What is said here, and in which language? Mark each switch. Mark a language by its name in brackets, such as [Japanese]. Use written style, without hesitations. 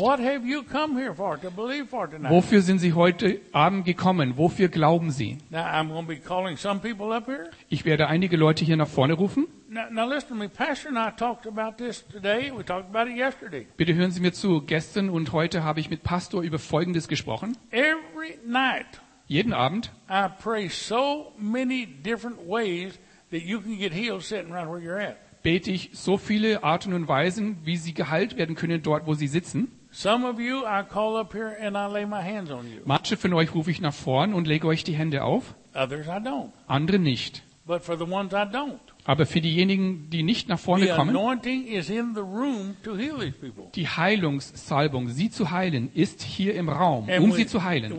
[English] What have you come here for, to believe for tonight? [German] Wofür sind Sie heute Abend gekommen? Wofür glauben Sie? [English] Now, I'm going to be calling some people up here. [German] Ich werde einige Leute hier nach vorne rufen. [English] Now listen to me. Pastor and I talked about this today. We talked about it yesterday. [German] Bitte hören Sie mir zu. Gestern und heute habe ich mit Pastor über Folgendes gesprochen. [English] Every night. [German] Jeden Abend. [English] I pray so many different ways that you can get healed sitting right where you're at. [German] Bete ich so viele Arten und Weisen, wie Sie geheilt werden können dort, wo Sie sitzen. [English] Some of you I call up here and I lay my hands on you. [German] Manche von euch rufe ich nach vorn und lege euch die Hände auf. [English] Others I don't. [German] Andere nicht. [English] But for the ones I don't. [German] Aber für diejenigen, die nicht nach vorne kommen, [English] the anointing is in the room to heal these people. [German] Die Heilungssalbung, sie zu heilen, ist hier im Raum, sie zu heilen.